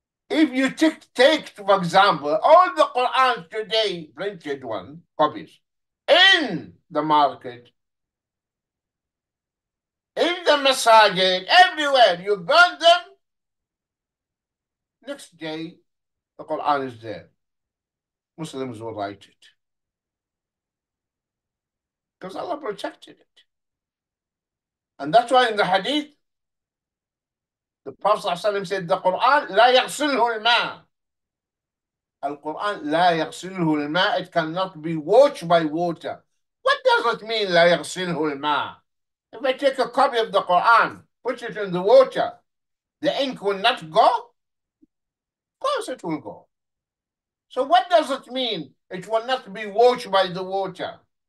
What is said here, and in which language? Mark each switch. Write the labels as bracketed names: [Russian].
[English] If you take, for example, all the Quran today, printed one, copies, in the market, in the masajid, everywhere, you burn them, next day, the Quran is there. Muslims will write it. Because Allah protected it. And that's why in the hadith, the Prophet ﷺ said, the Quran, [Arabic] لا يغسله الماء. Al-Quran, لا يغسله الماء. [English] It cannot be washed by water. What does it mean, [Arabic] لا يغسله الماء? [English] If I take a copy of the Quran, put it in the water, the ink will not go? Of course it will go. So what does it mean, it will not be washed by the water?